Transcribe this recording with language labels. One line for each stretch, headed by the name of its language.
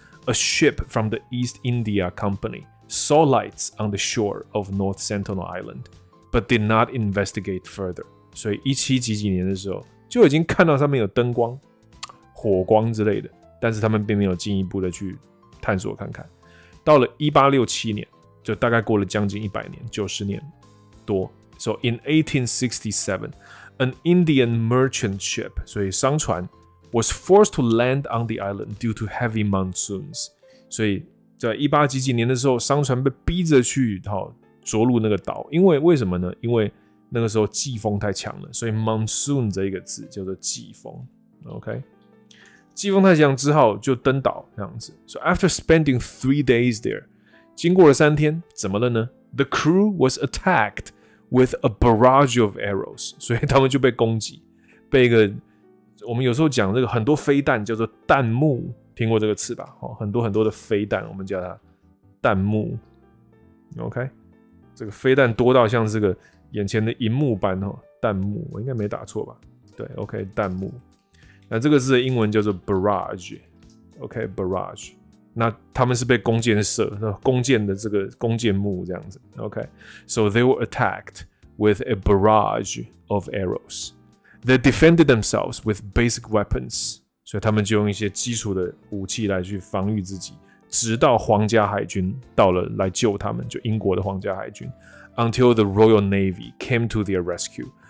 English: A ship from the East India Company saw lights on the shore of North Sentinel Island, but did not investigate further.
Chinese: 所以一七几几年的时候就已经看到上面有灯光、火光之类的，但是他们并没有进一步的去探索看看。到了1867年，就大概过了将近100年，90年多。
English: So in 1867, an Indian merchant ship,
Chinese: 所以商船。
English: Was forced to land on the island due to heavy monsoons.
Chinese: 所以在一八几几年的时候，商船被逼着去着陆那个岛，因为为什么呢？因为那个时候季风太强了，所以 monsoon 这一个字叫做季风。 OK， 季风太强之后就登岛这样子。
English: So after spending 3 days there，
Chinese: 经过了三天，怎么了呢 ？
English: The crew was attacked with a barrage of arrows.
Chinese: 所以他们就被攻击，被一个。我们有时候讲这个很多飞弹叫做弹幕，听过这个词吧？很多很多的飞弹，我们叫它弹幕。OK， 这个飞弹多到像这个眼前的荧幕般哦，弹幕，我应该没打错吧？对 ，OK， 弹幕。那这个字的英文叫做 barrage。OK， barrage。那他们是被弓箭射，弓箭的这个弓箭木这样子。
English: Okay, so they were attacked with a barrage of arrows. They defended themselves with basic weapons.
Chinese: 所以他们就用一些基础的武器来去防御自己，直到皇家海军到了来救他们，就英国的皇家海军。
English: Until the Royal Navy came to their rescue.